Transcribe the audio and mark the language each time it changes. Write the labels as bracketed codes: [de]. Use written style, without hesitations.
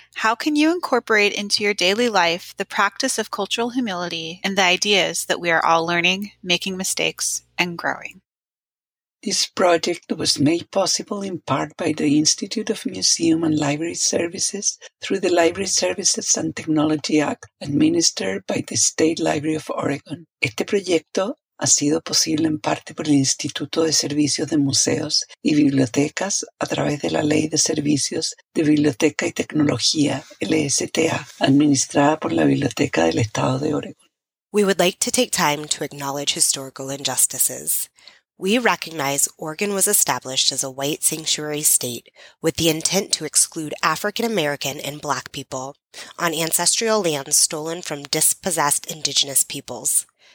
[en] How can you incorporate into your daily life the practice of cultural humility and the ideas that we are all learning, making mistakes, and growing? This project was made possible in part by the Institute of Museum and Library Services through the Library Services and Technology Act administered by the State Library of Oregon. [es] Este proyecto ha sido posible en parte por el Instituto de Servicios de Museos y Bibliotecas a través de la Ley de Servicios de Biblioteca y Tecnología, LSTA, administrada por la Biblioteca del Estado de Oregon. [en] We would like to take time to acknowledge historical injustices. We recognize Oregon was established as a white sanctuary state with the intent to exclude African American and Black people on ancestral lands stolen from dispossessed Indigenous peoples.